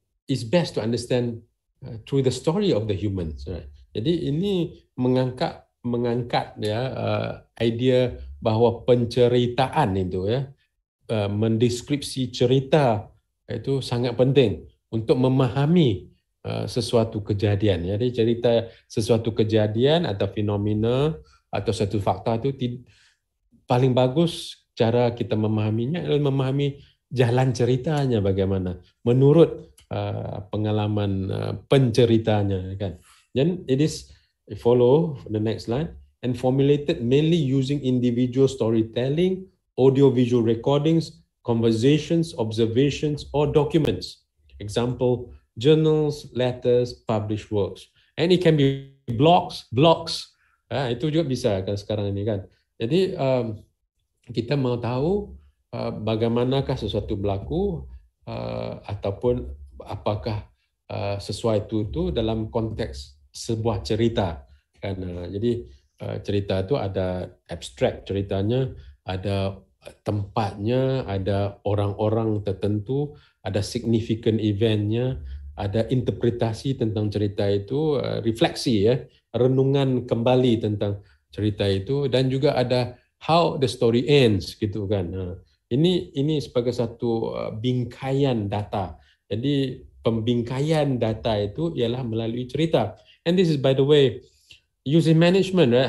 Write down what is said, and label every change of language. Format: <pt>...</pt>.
<en>It's best to understand through the story of the humans. Right?</en> <ms>Jadi ini mengangkat ya idea bahwa penceritaan itu ya mendeskripsi cerita itu sangat penting untuk memahami sesuatu kejadian. Jadi cerita sesuatu kejadian atau fenomena atau satu fakta itu paling bagus cara kita memahaminya adalah memahami jalan ceritanya bagaimana menurut pengalaman penceritanya kan.</ms> <en>Then it is follow the next line and formulated mainly using individual storytelling, audiovisual recordings, conversations, observations, or documents. Example, journals, letters, published works. And it can be blogs.</en> <ms>Itu juga bisa kan sekarang ini kan. Jadi kita mau tahu bagaimanakah sesuatu berlaku ataupun apakah sesuai itu dalam konteks sebuah cerita. Kan? Jadi cerita itu ada abstract ceritanya, ada tempatnya, ada orang-orang tertentu, ada significant eventnya, ada interpretasi tentang cerita itu, refleksi ya, renungan kembali tentang cerita itu, dan juga ada</ms> <en>how the story ends</en> <ms>gitu kan. Ini sebagai satu bingkaian data. Jadi pembingkaian data itu ialah melalui cerita.</ms> <en>And this is by the way using management, right?</en>